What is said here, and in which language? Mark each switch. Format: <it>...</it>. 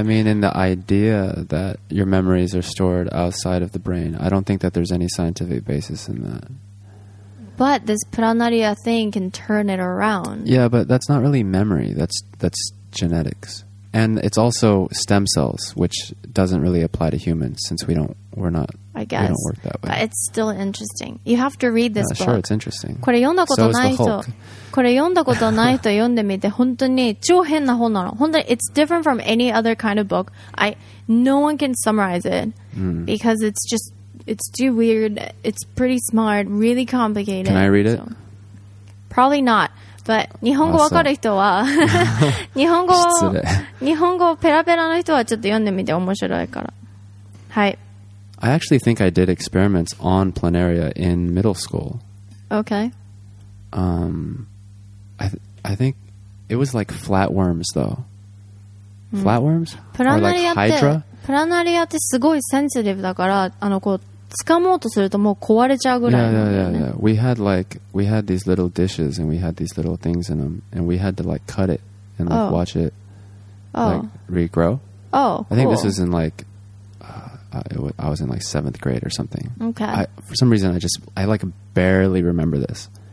<en>I mean, in the idea that your memories are stored outside of the brain, I don't think that there's any scientific basis in that. But this Pranaria thing can turn it around. Yeah, but that's not really memory. That's genetics, and it's also stem cells, which doesn't really apply to humans since we don't we're not. I guess we don't work that way. But it's still interesting. You have to read this book. Sure, it's interesting.</en> <ja>これ読んだことない人、</ja> <en>so、</en> <ja>これ読んだことない人読んでみて本当に超変な本なの。本当に</ja> <en>it's different from any other kind of book. No one can summarize it、because it's just. It's too weird. It's pretty smart. Really complicated. Can I read it? So, probably not. But</en> <ja>日本語わかる人は日本語日本語ペラペラの人はちょっと読んでみて面白いから。はい。</ja> <en>I actually think I did experiments on planaria in middle school. Okay. I think it was like flatworms though.、Flatworms? Planaria or like hydra?</en> <ja>Planaria ってすごいセンシティブだからあのこう。掴もうとするともう壊れちゃうぐらいなんだよね。</ja> <en>Yeah, yeah, yeah, yeah. We had like, we had these little dishes and we had these little things in them and we had to like cut it and like watch it like regrow. Oh, cool. I think this was in like, I was in like 7th grade or something. Okay. For some reason, I like barely remember this.</en>